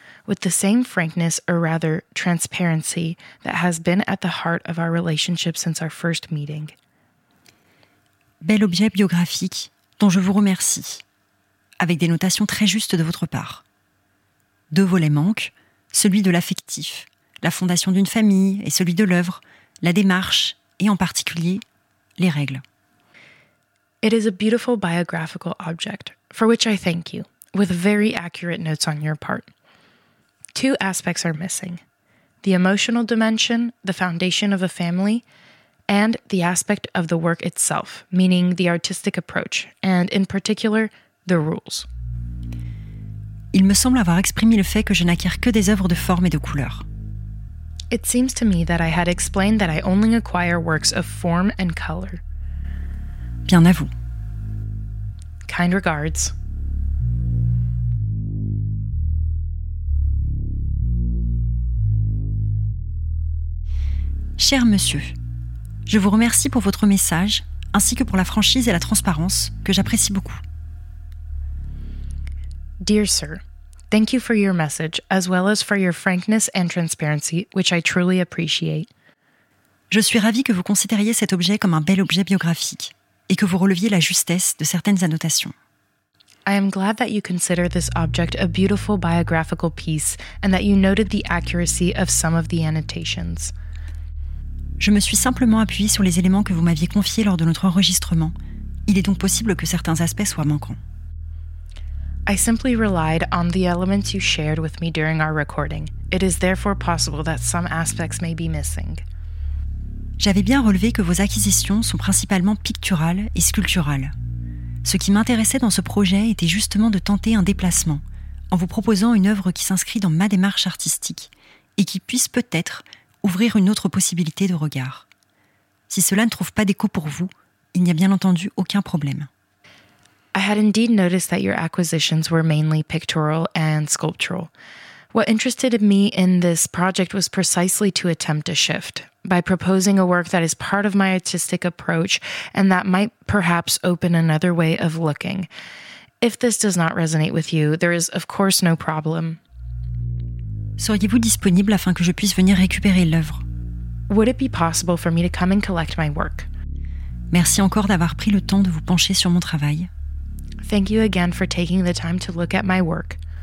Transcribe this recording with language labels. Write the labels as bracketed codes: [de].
[en] With the same frankness, or rather transparency, that has been at the heart of our relationship since our first meeting. [fr] Bel objet biographique dont je vous remercie, avec des notations très justes de votre part. Deux volets manquent, celui de l'affectif, la fondation d'une famille et celui de l'œuvre, la démarche et en particulier les règles. [en] It is a beautiful biographical object, for which I thank you, with very accurate notes on your part. Two aspects are missing. The emotional dimension, the foundation of a family, and the aspect of the work itself, meaning the artistic approach, and in particular, the rules. [fr] Il me semble avoir exprimé le fait que je n'acquiers que des œuvres de forme et de couleur. [en] It seems to me that I had explained that I only acquire works of form and color. [fr] Bien à vous. [en] Kind regards. [fr] Cher monsieur, je vous remercie pour votre message, ainsi que pour la franchise et la transparence, que j'apprécie beaucoup. [en] Dear sir, thank you for your message, as well as for your frankness and transparency, which I truly appreciate. [fr] Je suis ravie que vous considériez cet objet comme un bel objet biographique, et que vous releviez la justesse de certaines annotations. [en] I am glad that you consider this object a beautiful biographical piece, and that you noted the accuracy of some of the annotations. [fr] Je me suis simplement appuyée sur les éléments que vous m'aviez confiés lors de notre enregistrement. Il est donc possible que certains aspects soient manquants. [en] I simply relied on the elements you shared with me during our recording. It is therefore possible that some aspects may be missing. [fr] J'avais bien relevé que vos acquisitions sont principalement picturales et sculpturales. Ce qui m'intéressait dans ce projet était justement de tenter un déplacement, en vous proposant une œuvre qui s'inscrit dans ma démarche artistique et qui puisse peut-être ouvrir une autre possibilité de regard. Si cela ne trouve pas d'écho pour vous, il n'y a bien entendu aucun problème. [en] I had indeed noticed that your acquisitions were mainly pictorial and sculptural. What interested me in this project was precisely to attempt a shift, by proposing a work that is part of my artistic approach and that might perhaps open another way of looking. If this does not resonate with you, there is of course no problem. [fr] Seriez-vous disponible afin que je puisse venir récupérer l'œuvre? [en] Would it be possible for me to come and collect my work? [fr] Merci encore d'avoir pris le temps de vous pencher sur mon travail. [en] Thank you again for taking the time to look at my work.